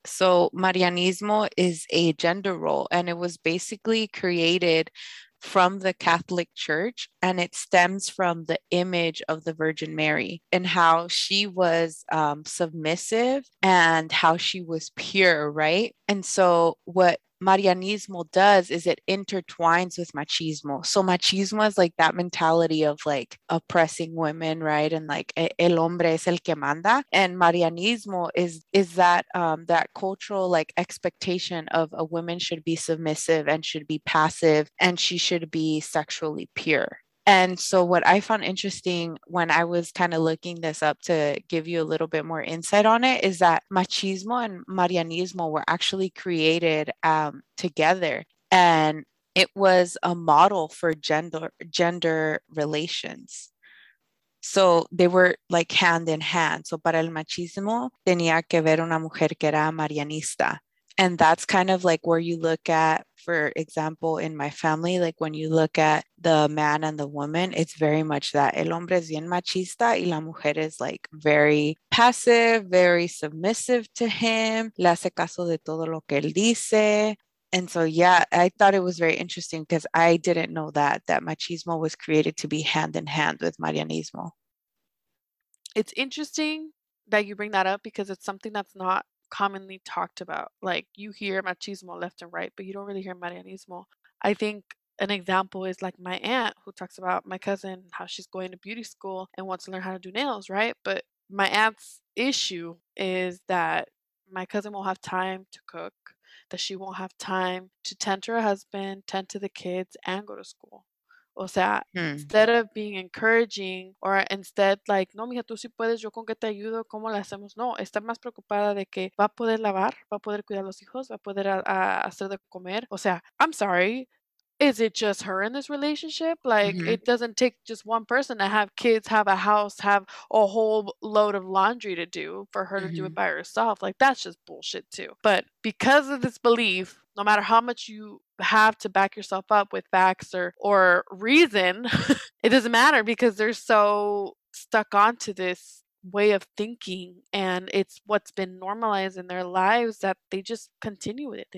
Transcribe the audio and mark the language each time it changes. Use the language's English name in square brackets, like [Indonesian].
[English] So Marianismo is a gender role, and it was basically created from the Catholic Church, and it stems from the image of the Virgin Mary and how she was submissive and how she was pure, right? And so what Marianismo does is it intertwines with machismo. So machismo is like that mentality of like oppressing women, right? And like [Spanish] el hombre es el que manda. [English] And Marianismo is that that cultural like expectation of a woman should be submissive and should be passive and she should be sexually pure. And so what I found interesting when I was kind of looking this up to give you a little bit more insight on it is that machismo and Marianismo were actually created together. And it was a model for gender relations. So they were like hand in hand. [Spanish] So para el machismo tenía que ver una mujer que era Marianista. [English] And that's kind of like where you look at, for example, in my family, like when you look at the man and the woman, it's very much that [Spanish] el hombre es bien machista y la mujer [English] is like very passive, very submissive to him. [Spanish] Le hace caso de todo lo que él dice. [English] And so, yeah, I thought it was very interesting because I didn't know that machismo was created to be hand in hand with Marianismo. It's interesting that you bring that up because it's something that's not commonly talked about. Like you hear machismo left and right, but you don't really hear Marianismo. I think an example is like my aunt who talks about my cousin, how she's going to beauty school and wants to learn how to do nails, right? But my aunt's issue is that my cousin won't have time to cook, that she won't have time to tend to her husband, tend to the kids, and go to school. [Spanish] O sea, [English] instead of being encouraging, or instead like, [Spanish] no, mija, tú sí puedes, yo con qué te ayudo, ¿cómo la hacemos? No, está más preocupada de que va a poder lavar, va a poder cuidar a los hijos, va a poder hacer de comer. O sea, [English] I'm sorry, is it just her in this relationship? Like, it doesn't take just one person to have kids, have a house, have a whole load of laundry to do for her to do it by herself. Like, that's just bullshit too. But because of this belief, no matter how much you have to back yourself up with facts or reason, it doesn't matter because they're so stuck onto this way of thinking and it's what's been normalized in their lives that they just continue with it.